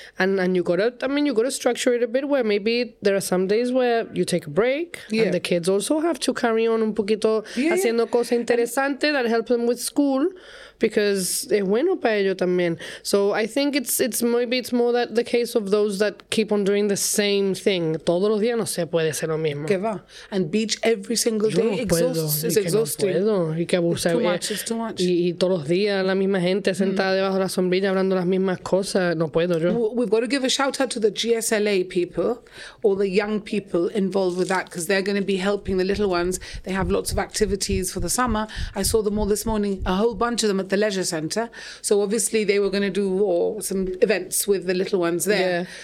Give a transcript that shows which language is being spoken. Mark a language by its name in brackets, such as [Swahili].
[English] And you got to, I mean, you got to structure it a bit where maybe there are some days where you take a break yeah. and the kids also have to carry on [Spanish] un poquito [English] yeah, [Spanish] haciendo [English] yeah. cosas interesantes that help them with school because [Spanish] es bueno para ellos también. [English] So I think it's maybe it's more that the case of those that keep on doing the same thing. [Spanish] Todos los días no se puede ser lo mismo. ¿Qué va? [English] And beach every single day. [Spanish] Yo no puedo. [English] It's exhausting. [Spanish] No puedo. Y que abusa. [English] It's too much. It's too much. [Spanish] Y todos los días la misma gente sentada mm. debajo de la sombrilla hablando las mismas cosas. No puedo yo. [English] We've got to give a shout out to the GSLA people, all the young people involved with that, because they're going to be helping the little ones. They have lots of activities for the summer. I saw them all this morning, a whole bunch of them at the leisure center. So obviously they were going to do some events with the little ones there. Yeah.